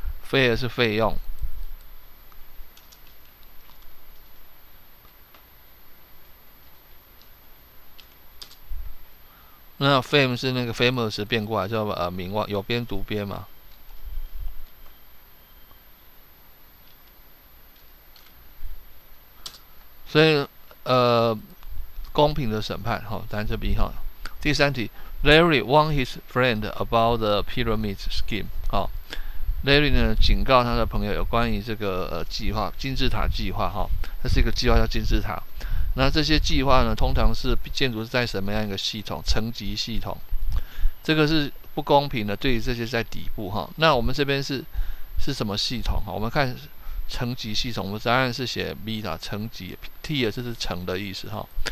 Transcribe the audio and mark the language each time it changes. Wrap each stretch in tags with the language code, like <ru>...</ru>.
<zh>fair 是费用，那 fame 是那个 famous 变过来叫名望，有边读边嘛。所以公平的审判齁，单字B齁。</zh> <en>第三题 ,Larry warned his friend about the pyramid scheme, 齁。</en> <zh>Larry 呢警告他的朋友有关于这个计划，金字塔计划齁。这是一个计划叫金字塔。那这些计划呢通常是建筑在什么样一个系统，层级系统。这个是不公平的，对于这些在底部齁。那我们这边是什么系统齁，我们看层级系统，我们答案是写 B 的层级 ，T 也是层的意思哈。</zh>